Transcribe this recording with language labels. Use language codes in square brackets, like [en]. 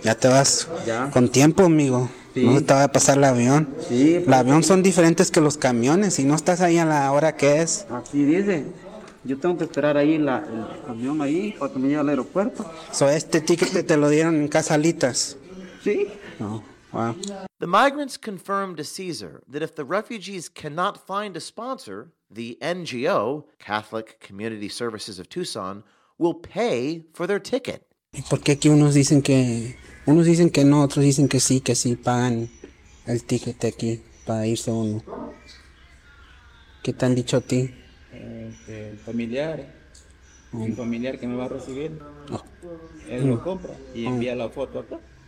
[es] Ya te vas. Ya. Con tiempo, amigo. Sí. No te va a pasar el avión. Sí. El avión son diferentes que los camiones. Si no estás ahí a la hora que es. Así dice. Yo tengo que esperar ahí la, el camión ahí para que me llegue al aeropuerto. So, este ticket te lo dieron en Casalitas. [en] See? Oh, wow. The migrants confirmed to Caesar that if the refugees cannot find a sponsor, the NGO, Catholic Community Services of Tucson, will pay for their ticket. [es] ¿Por qué aquí unos dicen que no, otros dicen que sí pagan el ticket aquí para irse uno? ¿Qué te han dicho a ti? El familiar. Un familiar que me va a recibir. Él lo compra y envía la foto acá.